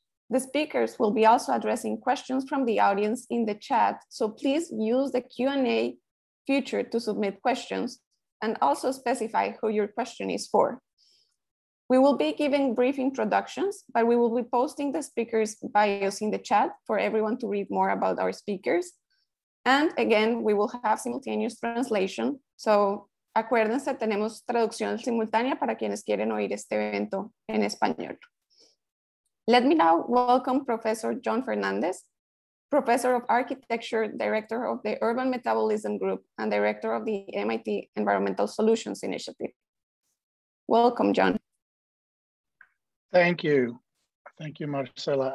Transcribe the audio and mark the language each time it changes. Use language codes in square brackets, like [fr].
[en] The speakers will be also addressing questions from the audience in the chat, so please use the Q&A feature to submit questions, and also specify who your question is for. We will be giving brief introductions, but we will be posting the speakers' bios in the chat for everyone to read more about our speakers. And again, we will have simultaneous translation. [es] So, acuérdense, tenemos traducción simultánea para quienes quieren oír este evento en español. [en] Let me now welcome Professor John Fernández, Professor of Architecture, Director of the Urban Metabolism Group, and Director of the MIT Environmental Solutions Initiative. Welcome, John. Thank you. Thank you, Marcela.